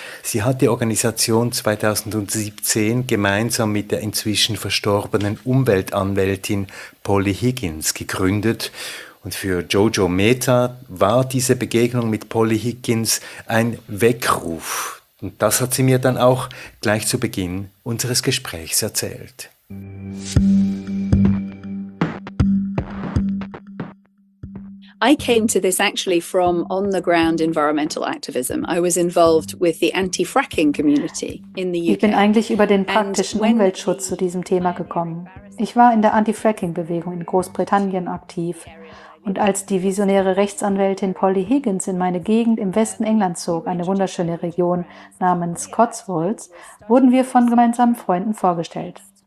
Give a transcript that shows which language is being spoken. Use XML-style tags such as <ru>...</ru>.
<de>Sie hat die Organisation 2017 gemeinsam mit der inzwischen verstorbenen Umweltanwältin Polly Higgins gegründet. Und für Jojo Mehta war diese Begegnung mit Polly Higgins ein Weckruf. Und das hat sie mir dann auch gleich zu Beginn unseres Gesprächs erzählt.</de> <en>I came to this actually from on-the-ground environmental activism. I was involved with the anti-fracking community in the UK.</en> <de>Ich bin eigentlich über den praktischen Umweltschutz zu diesem Thema gekommen. Ich war in der Anti-Fracking-Bewegung in Großbritannien aktiv. Und als die visionäre Rechtsanwältin Polly Higgins in meine Gegend im Westen England zog, eine wunderschöne Region namens Cotswolds, wurden wir von gemeinsamen Freunden vorgestellt.</de>